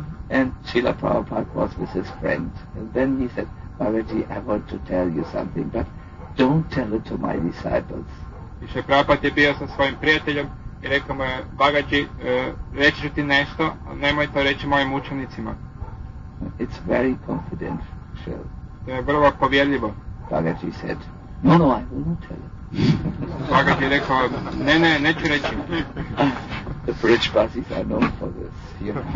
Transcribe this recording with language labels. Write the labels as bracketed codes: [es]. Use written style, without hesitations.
[en] And Srila Prabhupada was with his friend. And then he said, Babaji, I want to tell you something, but don't tell it to my disciples. [hr] I Srila Prabhupada je bio sa svojim prijateljom i rekao mu je, Babaji, reći ću ti nešto, nemoj to reći mojim učenicima. [en] It's very confidential. [hr] To je vrlo povjerljivo. [en] Babaji said, no, no, I will not tell it. [hr] Babaji je rekao, ne, ne, neću reći. [en] The bridge buses are known for this.